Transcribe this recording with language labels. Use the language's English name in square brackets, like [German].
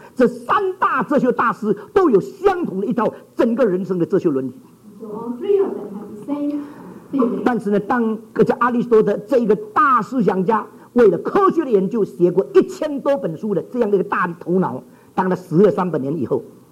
[Chinese] 这三大哲学大师都有相同的一套整个人生的哲学伦理。 [English] So all three of them have the same theory. [Chinese] 但是呢，当这阿里士多德这一个大思想家为了科学的研究写过一千多本书的这样的一个大的头脑，当他死了三百年以后。